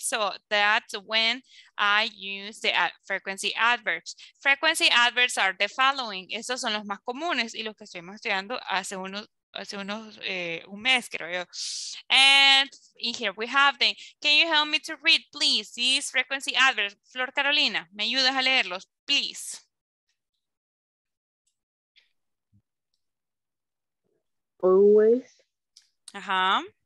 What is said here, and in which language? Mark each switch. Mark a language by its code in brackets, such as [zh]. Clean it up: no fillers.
[en] So that's when I use the frequency adverbs. Frequency adverbs are the following. [es] Esos son los más comunes y los que estuvimos estudiando hace un mes, creo yo. [en] And in here we have them. Can you help me to read, please, these frequency adverbs? [es] Flor Carolina, ¿me ayudas a leerlos, please? [en] Always. Ajá.